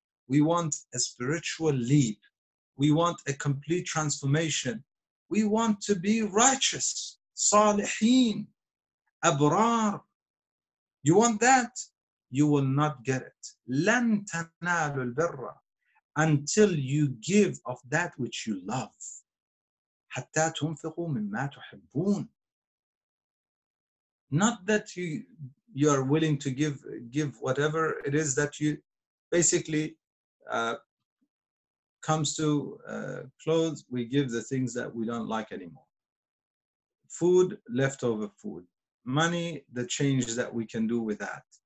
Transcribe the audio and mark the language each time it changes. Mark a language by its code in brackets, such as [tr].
[en] We want a spiritual leap. We want a complete transformation. We want to be righteous, [ar] صالحين, أبرار. [en] You want that? You will not get it. [ar] لَن تَنَالُ الْبِرَّ. [en] Until you give of that which you love. [ar] حَتَّى تُنْفِقُوا مِمَّا تُحِبُّونَ. [en] Not that you are willing to give whatever it is that you basically comes to clothes, we give the things that we don't like anymore. Food, leftover food. Money, the change that we can do with that.